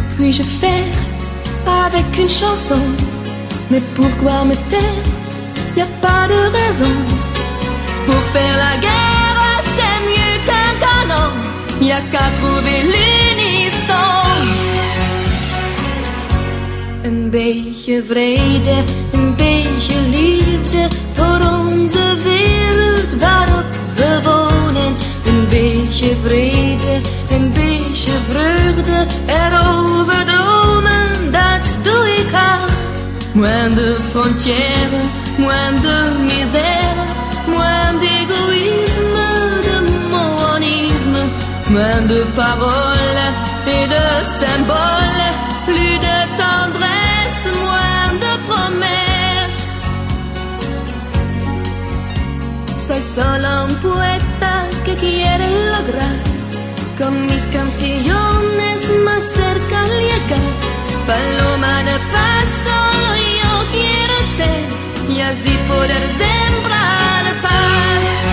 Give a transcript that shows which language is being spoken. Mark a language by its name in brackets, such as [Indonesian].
[French] Je fais avec une chanson, mais pourquoi me taire? Y a pas de raison. Pour faire la guerre, c'est mieux qu'un canon. Y a qu'à trouver l'unisson. [Dutch] Un beetje vrede, un beetje liefde voor onze wereld waarop we wonen. Een beetje vrede, een beetje vreugde erover dromen, dat doe ik al. [French] Moins de frontières, moins de misère, moins d'égoïsme, de monisme, moins de paroles et de symboles, plus de tendresse, moins de promesses. [Spanish] Soy solo un poeta que quiere lograr con mis canciones más cerca llegar. Paloma de paso yo quiero ser y así poder sembrar paz.